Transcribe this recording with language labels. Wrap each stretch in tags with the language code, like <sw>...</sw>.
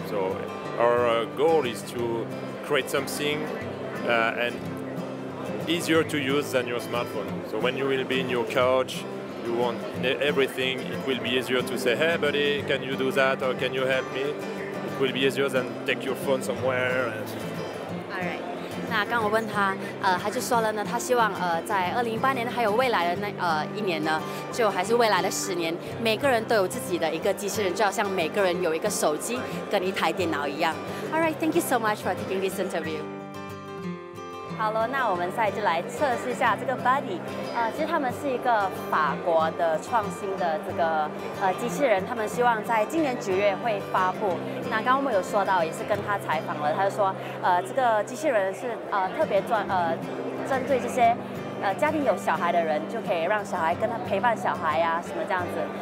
<en>So our goal is to create something and easier to use than your smartphone. So when you will be in your couch, you want everything, it will be easier to say, hey buddy, can you do that or can you help me? It will be easier than take your phone somewhere. And... All right.</en> <zh>那刚我问他，他就说了呢，他希望在2018年还有未来的那一年呢，就还是未来的十年，每个人都有自己的一个机器人，就好像每个人有一个手机跟一台电脑一样。</zh> <en>All right, thank you so much for taking this interview.</en> <zh>好了，那我们再就来测试一下这个 Buddy， 其实他们是一个法国的创新的这个机器人，他们希望在今年九月会发布。那刚刚我们有说到，也是跟他采访了，他就说，这个机器人是特别针对这些家庭有小孩的人，就可以让小孩跟他陪伴小孩呀、啊、什么这样子。</zh>